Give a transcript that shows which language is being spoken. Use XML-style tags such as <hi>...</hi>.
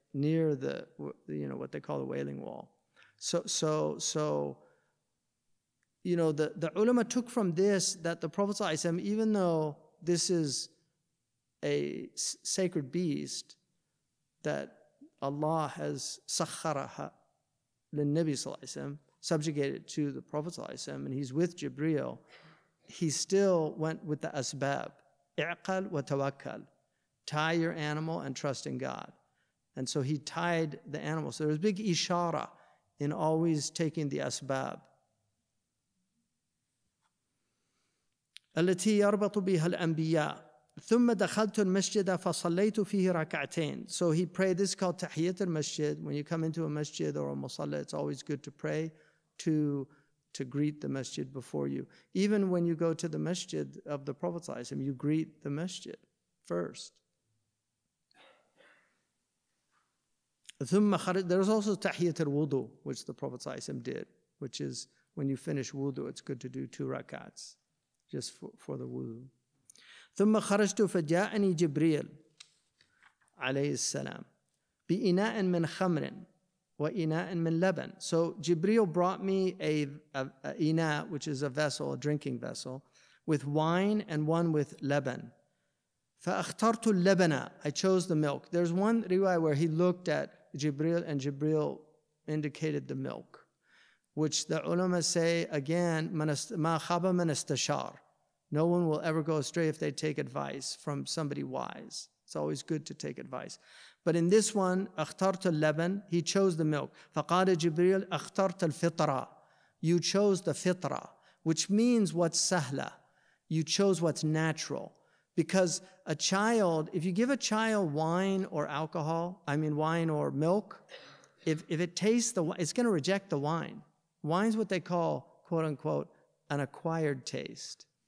<en>Near the, you know, what they call the wailing wall. So, you know, the ulama took from this that the Prophet ﷺ, even though this is a sacred beast that Allah has</en> <ar>sakharaha lin Nabi</ar> <en>ﷺ, subjugated to the Prophet ﷺ, and he's with Jibreel, he still went with the asbab,</en> <ar>i'qal wa tawakkal,</ar> <en>tie your animal and trust in God. And so he tied the animal. So there's big ishara in always taking the asbab.</en> <ar>التي يربط بها الأنبياء ثم دخلت المسجد فصليت فيه ركعتين.</ar> <en>So he prayed. This is called tahiyat al-masjid. When you come into a masjid or a masala, it's always good to pray to greet the masjid before you. Even when you go to the masjid of the Prophet ﷺ, you greet the masjid first. There's also tahiyat al-wudu, which the Prophet ﷺ did, which is when you finish wudu, it's good to do two rakats, just for the wudu.</en> <ar>ثم خرجت فجاءني جبريل عليه السلام بإناء من خمر وإناء من لبن.</ar> <en>So Jibreel brought me a إناء, which is a vessel, a drinking vessel, with wine and one with لبن.</en> <ar>فأخترت اللبن.</ar> <en>I chose the milk. There's one riwayah where he looked at Jibreel and Jibreel indicated the milk, which the ulama say again,</en> <ar>ما خاب من استشار.</ar> <en>No one will ever go astray if they take advice from somebody wise. It's always good to take advice. But in this one,</en> <ar>اخترت اللبن,</ar> <en>he chose the milk.</en> <ar>فقال جبريل اخترت الفطرة.</ar> <en>You chose the فطرة, which means what's سهلة. You chose what's natural. Because a child, if you give a child wine or alcohol, I mean wine or milk, if it tastes the wine, it's going to reject the wine. Wine's what they call, quote unquote, an acquired taste.</en>